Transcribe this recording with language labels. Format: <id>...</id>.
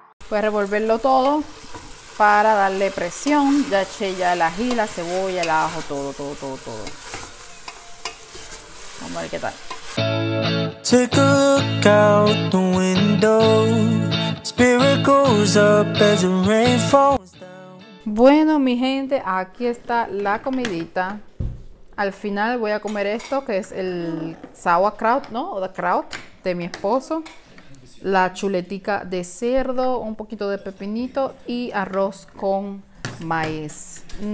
<es>Voy a revolverlo todo para darle presión. Ya eché ya el ají, la cebolla, el ajo, todo, todo, todo, todo. Vamos a ver qué tal.</es> <en>Take a look out the window. Spirit goes up as the rain falls down.</en> <es>Bueno, mi gente, aquí está la comidita. Al final voy a comer esto, que es el sauerkraut, ¿no? O el kraut de mi esposo. La chuletica de cerdo, un poquito de pepinito y arroz con maíz.</es>